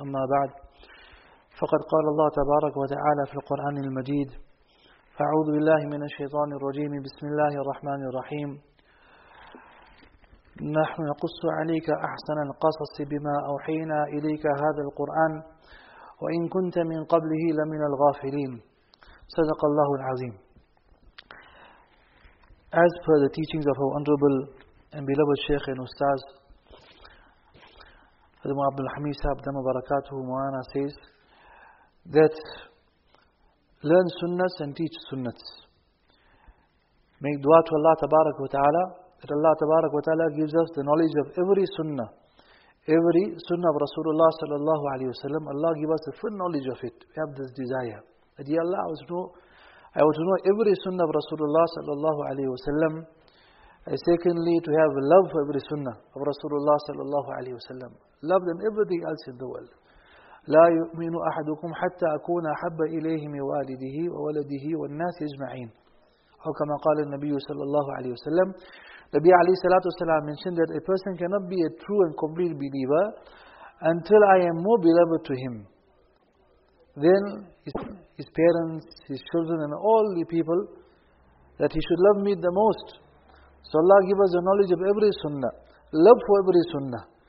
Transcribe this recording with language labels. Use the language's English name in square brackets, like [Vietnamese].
[Arabic] أما بعد، فقد قال الله تبارك وتعالى في القرآن المجيد: أعوذ بالله من الشيطان الرجيم، بسم الله الرحمن الرحيم، نحن نقص عليك أحسن القصص بما أوحينا إليك هذا القرآن وإن كنت من قبله لمن الغافلين. صدق الله العظيم. [English] As per the teachings of our honorable and beloved Sheikh and Ustaz, Hazrat Abdul Hamid Sahib Dama Barakatuhu Mu'ana, says that learn sunnahs and teach sunnahs. Make dua to Allah Tabarak wa Ta'ala that Allah Tabarak wa Ta'ala gives us the knowledge of every sunnah. Every sunnah of Rasulullah sallallahu alayhi wa sallam, Allah give us the full knowledge of it. We have this desire. That Ya Allah, I want to know every sunnah of Rasulullah sallallahu alayhi wa sallam. Secondly, to have love for every sunnah of Rasulullah sallallahu alayhi wa sallam. Love them, everything else in the world. [Arabic] لا يؤمن أحدكم حتى أكون أحب إليه من والده وولده والناس أجمعين. أو كما قال النبي صلى الله عليه وسلم. النبي عليه الصلاة والسلام [English] mentioned that a person cannot be a true and complete believer until I am more beloved to him. Then his parents, his children and all the people that he should love me the most. So Allah give us the knowledge of every sunnah. Love for every sunnah.